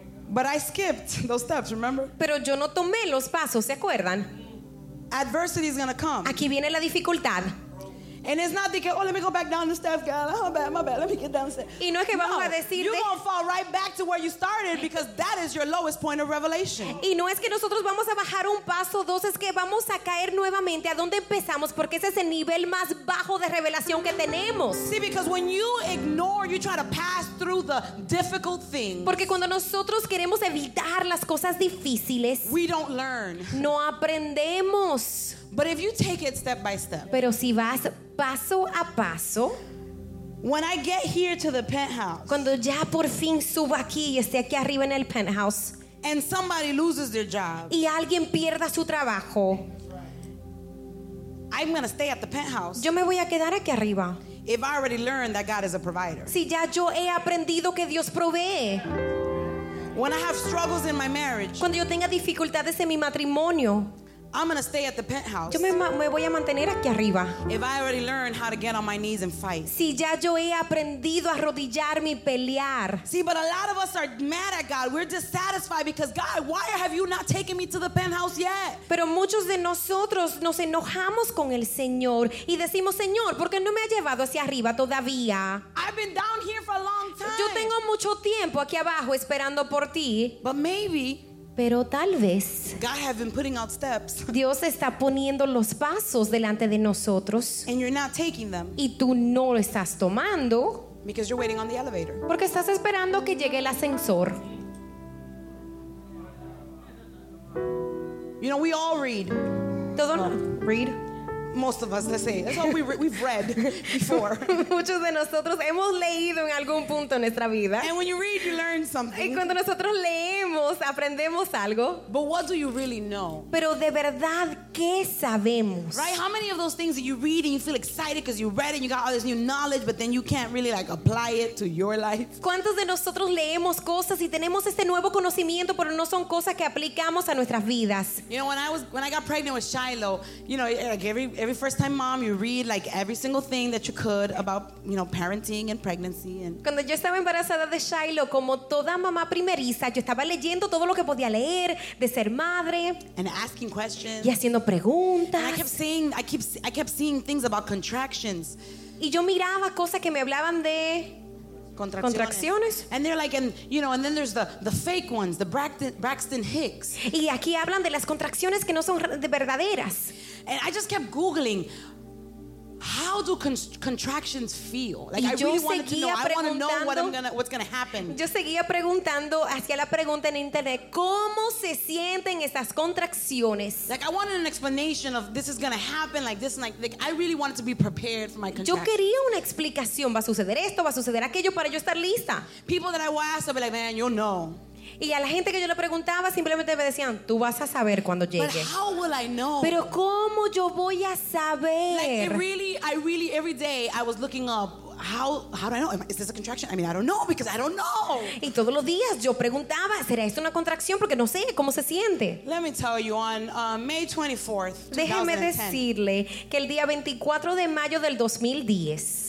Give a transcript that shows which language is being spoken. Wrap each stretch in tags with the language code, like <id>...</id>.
<en>But I skipped those steps, remember?</en> <es>Pero yo no tomé los pasos, ¿se acuerdan?</es> <en>Adversity is going to come.</en> <es>Aquí viene la dificultad.</es> <en>And it's not because, oh, let me go back down the steps, God. Oh, my bad. Let me get down the steps.</en> <es>Y no es que vamos a decir,</es> <en>you're going to fall right back to where you started because that is your lowest point of revelation.</en> <es>Y no es que nosotros vamos a bajar un paso, dos, es que vamos a caer nuevamente a donde empezamos porque ese es el nivel más bajo de revelación que tenemos.</es> <en>See, because when you ignore, you try to pass through the difficult things.</en> <es>Porque cuando nosotros queremos evitar las cosas difíciles,</es> <en>we don't learn.</en> <es>No aprendemos.</es> <en>But if you take it step by step.</en> <es>Pero si vas paso a paso.</es> <en>When I get here to the penthouse.</en> <es>Cuando ya por fin subo aquí y esté aquí arriba en el penthouse.</es> <en>And somebody loses their job.</en> <es>Y alguien pierda su trabajo.</es> <en>Right. I'm going to stay at the penthouse.</en> <es>Yo me voy a quedar aquí arriba.</es> <en>If I already learned that God is a provider.</en> <es>Si ya yo he aprendido que Dios provee.</es> <en>When I have struggles in my marriage.</en> <es>Cuando yo tenga dificultades en mi matrimonio.</es> <en>I'm gonna stay at the penthouse.</en> <es>Yo me voy a mantener aquí arriba.</es> <en>If I already learned how to get on my knees and fight.</en> <es>Si ya yo he aprendido a arrodillarme y pelear.</es> <en>See, but a lot of us are mad at God. We're dissatisfied because God, why have you not taken me to the penthouse yet?</en> <es>Pero muchos de nosotros nos enojamos con el Señor y decimos, Señor, ¿por qué no me ha llevado hacia arriba todavía?</es> <en>I've been down here for a long time.</en> <es>Yo tengo mucho tiempo aquí abajo esperando por ti.</es> <en>But maybe.</en> <es>Pero tal vez</es> <en>God have been putting out steps.</en> <es>Dios está poniendo los pasos delante de nosotros</es> <en>and you're not taking them.</en> <es>Y tú no lo estás tomando</es> <en>because you're waiting on the elevator.</en> <es>Porque estás esperando que llegue el ascensor.</es> <en>You know, we all read.</en> <es>Todos read.</es> <en>Most of us, let's say. That's all we've read before.</en> <es>Muchos de nosotros hemos leído en algún punto en nuestra vida.</es> <en>And when you read, you learn something.</en> <es>Y cuando nosotros leemos, aprendemos algo.</es> <en>But what do you really know?</en> <es>Pero de verdad, ¿qué sabemos?</es> <en>Right? How many of those things that you read and you feel excited because you read and you got all this new knowledge, but then you can't really like apply it to your life?</en> <es>¿Cuántos de nosotros leemos cosas y tenemos este nuevo conocimiento, pero no son cosas que aplicamos a nuestras vidas?</es> <en>You know, when I got pregnant with Shiloh, you know, like every first time mom, you read like every single thing that you could about, you know, parenting and pregnancy. And</en> <es>cuando yo estaba embarazada de Shiloh, como toda mamá primeriza, yo estaba leyendo todo lo que podía leer de ser madre.</es> <en>And asking questions.</en> <es>Y haciendo preguntas.</es> <en>And I kept seeing things about contractions.</en> <es>Y yo miraba cosas que me hablaban de contracciones.</es> <en>And they're like, and you know, and then there's the fake ones, the Braxton Hicks.</en> <es>Y aquí hablan de las contracciones que no son de verdaderas.</es> <en>And I just kept googling, how do contractions feel? Like,</en> <es>yo</es> <en>I really wanted to know. I want to know what's going to happen.</en> <es>Yo seguía preguntando hacia la pregunta en internet, ¿cómo se sienten esas contracciones?</es> <en>Like, I wanted an explanation of this is going to happen, like this, and like I really wanted to be prepared for my contractions.</en> <es>Yo quería una explicación, va a suceder esto, va a suceder aquello, para yo estar lista.</es> <en>People that I would ask, I'd be like, man, you'll know.</en> <es>Y a la gente que yo le preguntaba simplemente me decían, tú vas a saber cuando llegue.</es> <en>But how will I know?</en> <es>Pero ¿cómo yo voy a saber?</es> <en>Like, I really every day I was looking up, how do I know? Is this a contraction? I mean, I don't know because I don't know.</en> <es>Y todos los días yo preguntaba, ¿será esto una contracción? Porque no sé cómo se siente.</es> <en>Let me tell you, on May 24th, 2010.</en> <es>Déjeme decirle que el día 24 de mayo del 2010.</es>